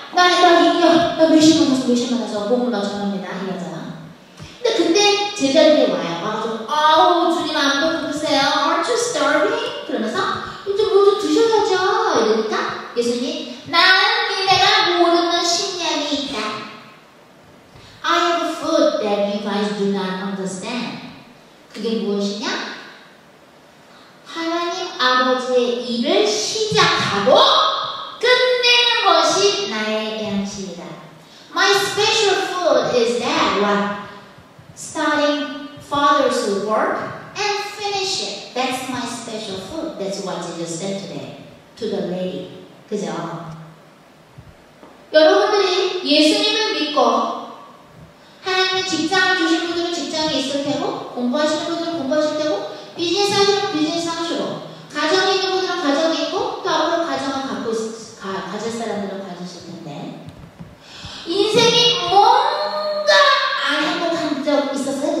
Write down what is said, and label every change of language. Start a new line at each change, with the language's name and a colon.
Korean: 나 몇 시에 만났어. 몇 시에 만났어. 보고 나 전합니다. 이 여자. 근데 제자리에 와요. 아, 좀, 아우 주님 안 배고프세요?
English: Aren't you starving?
Korean: 그러면서 이제 뭐 좀 드셔야죠. 이러니까 예수님, 나는 니네가 모르는 신념이 있다.
English: I have a food that you guys do not understand.
Korean: 그게 무엇이냐? 하나님 아버지의 일을 시작하고 끝내는 것이 나의 양식이다.
English: My special food is that one. Starting father's work and finish it. That's my special food. That's what Jesus said today to the lady.
Korean: 그죠? 여러분들이 예수님을 믿고 하나님 직장을 주신 분들은 직장이 있을 테고, 공부하시는 분들은 공부하실 테고, 비즈니스 하시는 분들은 비즈니스 하시고, 가정이 있는 분들은 가정이 있고, 또 앞으로 가정을 갖고 가질 사람들은 가지실 텐데, 인생이 뭔가 안 행복한 적 있었어요?